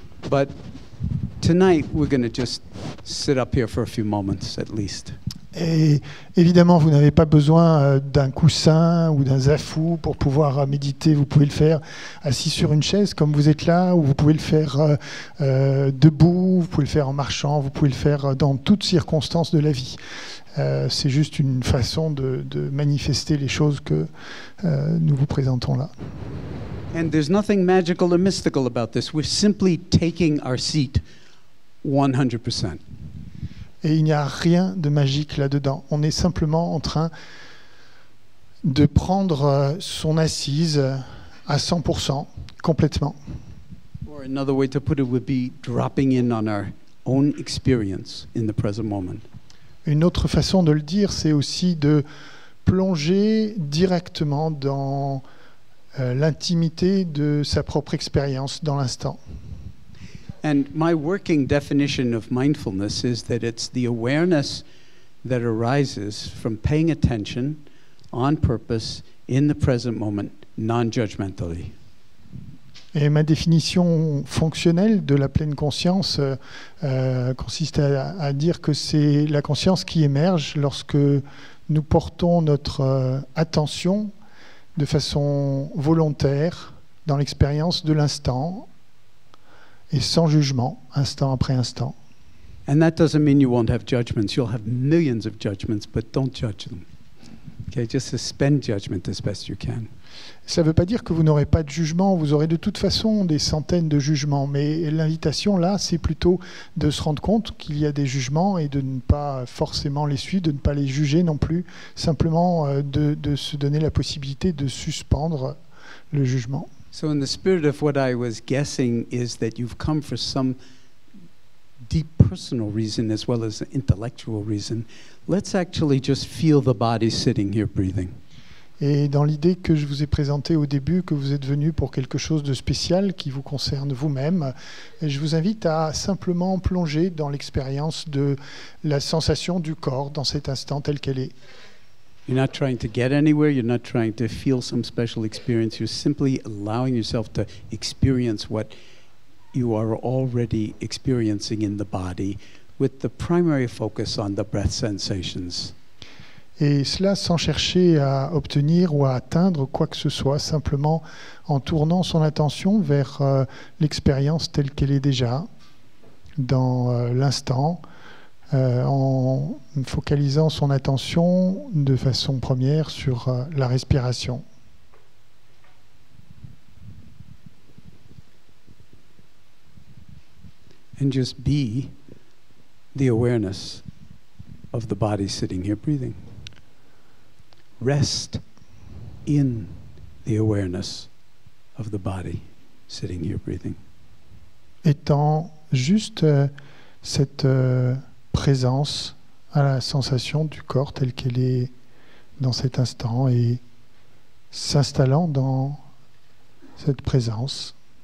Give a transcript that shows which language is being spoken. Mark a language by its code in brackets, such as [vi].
[en] But tonight, we're going to just sit up here for a few moments at least. [fr] Et évidemment, vous n'avez pas besoin d'un coussin ou d'un zafou pour pouvoir méditer. Vous pouvez le faire assis sur une chaise comme vous êtes là, ou vous pouvez le faire debout, vous pouvez le faire en marchant, vous pouvez le faire dans toutes circonstances de la vie. C'est juste une façon de manifester les choses que nous vous présentons là. [en] And there's nothing magical or mystical about this. We're simply taking our seat 100%. [fr] Et il n'y a rien de magique là-dedans. On est simplement en train de prendre son assise à 100%, complètement. [en] Or another way to put it would be dropping in on our own experience in the present moment. [fr] Une autre façon de le dire, c'est aussi de plonger directement dans l'intimité de sa propre expérience dans l'instant. [en] And my working definition of mindfulness is that it's the awareness that arises from paying attention on purpose in the present moment, non-judgmentally. [fr] Et ma définition fonctionnelle de la pleine conscience consiste à dire que c'est la conscience qui émerge lorsque nous portons notre attention de façon volontaire dans l'expérience de l'instant et sans jugement, instant après instant. [en] And that doesn't mean you won't have judgments. You'll have millions of judgments, but don't judge them. Okay, just suspend judgment as best you can. [fr] Ça ne veut pas dire que vous n'aurez pas de jugement. Vous aurez de toute façon des centaines de jugements. Mais l'invitation, là, c'est plutôt de se rendre compte qu'il y a des jugements et de ne pas forcément les suivre, de ne pas les juger non plus. Simplement de se donner la possibilité de suspendre le jugement. [en] So in the spirit of what I was guessing is that you've come for some deep personal reason as well as an intellectual reason. Let's actually just feel the body sitting here breathing. [fr] Et dans l'idée que je vous ai présentée au début, que vous êtes venu pour quelque chose de spécial qui vous concerne vous-même, je vous invite à simplement plonger dans l'expérience de la sensation du corps dans cet instant tel qu'elle est. [en] You're not trying to get anywhere, you're not trying to feel some special experience, you're simply allowing yourself to experience what you are already experiencing in the body with the primary focus on the breath sensations. [fr] Et cela sans chercher à obtenir ou à atteindre quoi que ce soit, simplement en tournant son attention vers l'expérience telle qu'elle est déjà, dans l'instant, en focalisant son attention de façon première sur la respiration. [en] And just be the awareness of the body sitting here breathing. Rest in the awareness of the body sitting here breathing. [fr] Étant juste cette présence à la sensation du corps telle qu'elle est dans cet instant et s'installant dans cette présence.